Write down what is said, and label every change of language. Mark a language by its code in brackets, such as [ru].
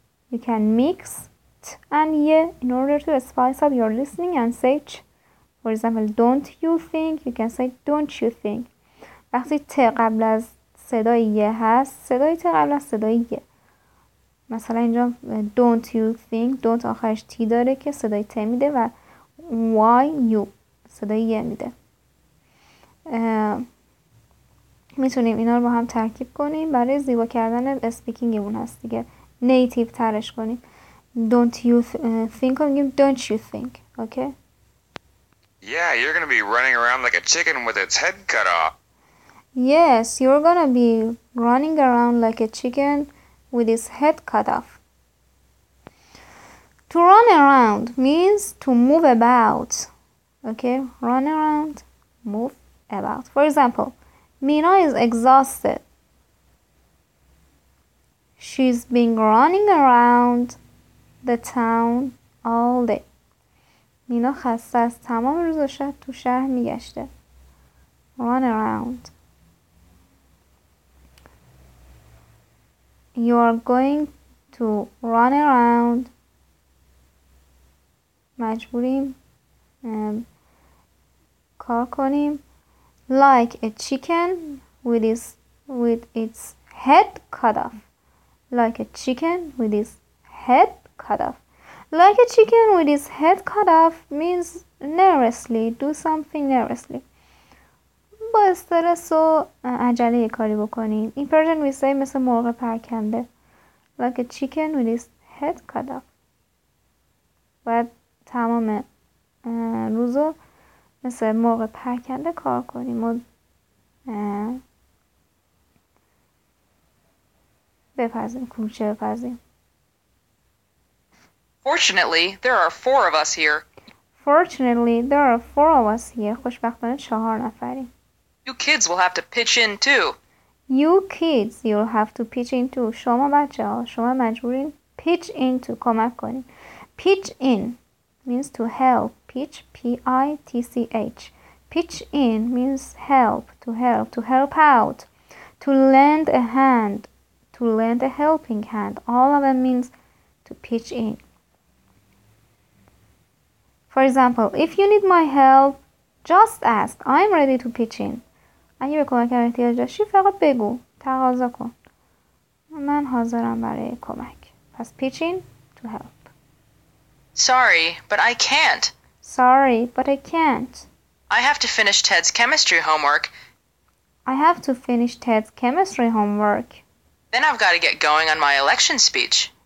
[en] you can mix T and ye in order to spice up your listening and say ch, for example, don't you think, [fa] you can say [en] don't you think, [fa] وقتی T قبل از صدای یه هست، صدای ته قبل از صدای یه، مثلا اینجا don't you think، don't آخرش تی داره که صدای ته میده و why you صدای یه میده. میتونیم اینا رو با هم ترکیب کنیم برای زیبا کردن speaking اون هست دیگه، native ترش کنیم. [en] don't you think [fa] رو میگیم [en] don't you think. okay. yeah you're gonna be running around like a chicken with its head cut off. Yes, you're gonna be running around like a chicken with his head cut off. To run around means to move about. Okay, run around, move about. For example, Mina is exhausted. She's been running around the town all day. [fa] Mina خسته است، تمام روز شد تو شهر میگشته. [en] Run around. You are going to run around. [fa] مجبوریم کار کنیم. [en] Like a chicken with its head cut off. Like a chicken with its head cut off. Like a chicken with its head cut off means nervously. Do something nervously. [fa] با استرس و عجله کاری بکنیم. این پرژن ویسایی مثل مرغ پرکنده. [en] Like a chicken with his head cut off. [fa] باید تمام روزو مثل مرغ پرکنده کار کنیم و بپزیم، کوچه بپزیم. [en] Fortunately, there are four of us here. Fortunately, there are four of us here. [fa] خوشبختانه چهار نفریم. [en] You kids will have to pitch in too. You kids, you'll have to pitch in too. [fa] شما بچه ها، شما مجبورین [en] pitch in to [fa] کمک کنین. [en] Pitch in means to help. Pitch, P-I-T-C-H. Pitch in means help, to help, to help out. To lend a hand, to lend a helping hand. All of them means to pitch in. For example, if you need my help, just ask. I'm ready to pitch in. [fa] اگه به کمک احتیاج داشتی فقط بگو، تقاضا کن، من حاضرم برای کمک. [en] پس pitching to help. Sorry, but I can't. Sorry, but I can't. I have to finish Ted's chemistry homework. I have to finish Ted's chemistry homework. Then I've got to get going on my election speech.